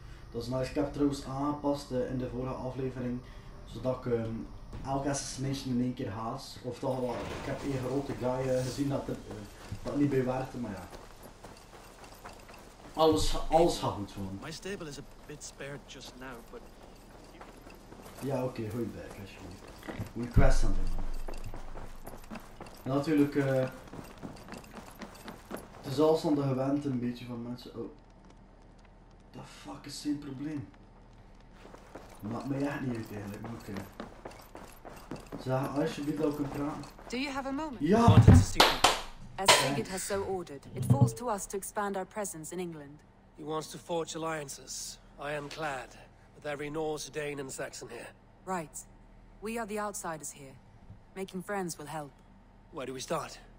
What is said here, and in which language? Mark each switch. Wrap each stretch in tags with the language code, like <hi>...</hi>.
<nl>Dat is nice. Ik heb trouwens aangepast in de vorige aflevering, zodat ik elke assassination in één keer haast. Of toch wel, ik heb één grote guy gezien dat dat niet bij werkte, maar ja. alles gaat goed gewoon.</nl> <en>My stable is a bit spared just now, but.</en> <nl>Ja, oké, okay, goeie back, alsjeblieft. Goeie quest aan doen. En natuurlijk, het is alles aan de gewend een beetje van mensen. Oh.</nl> <en>The fuck</en> <nl>is zijn probleem? Maakt mij echt niet uit eigenlijk, maar oké. Okay. Zeg, alsjeblieft dat ik kan praten.</nl> <en>Do you have a moment?</en> <nl>Ja!</nl> <en>As Sigurd has so ordered, it falls to us to expand our presence in England. He wants to forge alliances, ironclad, with every Norse, Dane, and Saxon here. Right. We are the outsiders here. Making friends will help. Where do we start?</en>